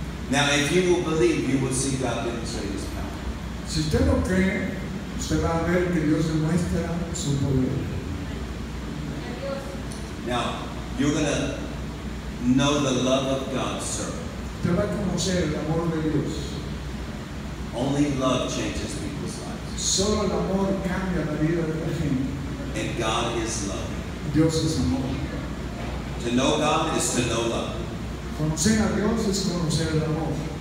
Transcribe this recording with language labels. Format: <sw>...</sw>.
<en>Now, if you will believe, you will see God demonstrate His power.</en> <es>Si usted lo cree, usted va a ver que Dios demuestra su poder.</es> <en>Now, you're going to know the love of God, sir.</en> <es>Usted va a conocer el amor de Dios.</es> <en>Only love changes people's lives.</en> <es>Solo el amor cambia la vida de la gente.</es> <en>And God is love.</en> <es>Dios es amor.</es> <en>To know God is to know love.</en> <es>Conocer a Dios es conocer el amor.</es>